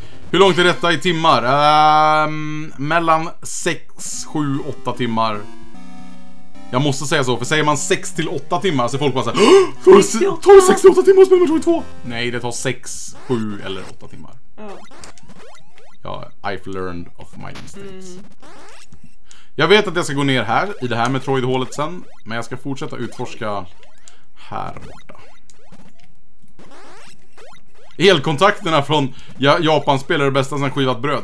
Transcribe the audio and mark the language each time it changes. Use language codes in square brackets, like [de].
[sv] Hur långt är detta i timmar? Mellan 6, 7, 8 timmar. Jag måste säga så, för säger man 6 till 8 timmar så folk bara säger: tar det 6 till 8 timmar att spela Metroid 2? Nej, det tar 6, 7 eller 8 timmar. [en] Ja, I've learned of my mistakes. [sv] Jag vet att jag ska gå ner här, i det här Metroid-hålet sen, men jag ska fortsätta utforska här borta. Elkontakterna från Japanspel är det bästa som skivat bröd.